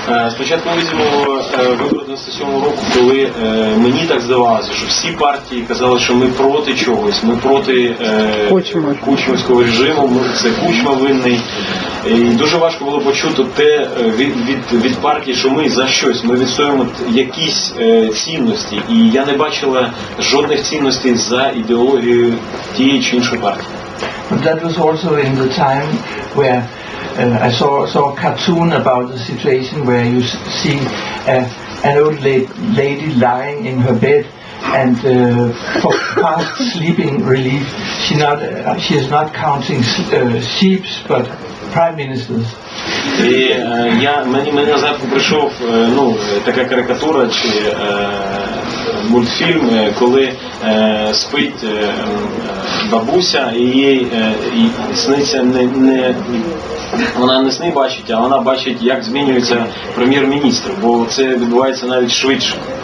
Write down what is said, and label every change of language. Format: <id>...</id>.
<uk>Спочатку ми візьмемо вибори 97-го року, коли мені так здавалося, що всі партії казали, що ми проти чогось, ми проти кучмівського режиму, це Кучма винний. І дуже важко було почути те від партії, що ми за щось, ми відстоюємо якісь цінності. І я не бачила жодних цінностей за ідеологію тієї чи іншої партії.</uk> <en>But that was also in the time where I saw a cartoon about the situation where you see an old lady lying in her bed and for fast sleeping relief, she is not counting sheep, but prime ministers.</en> <uk>І я мені завжди прийшов така карикатура чи мультфільм, коли спить бабуся, і їй сниться не вона не сни бачить, а вона бачить, як змінюється прем'єр-міністр, бо це відбувається навіть швидше.</uk>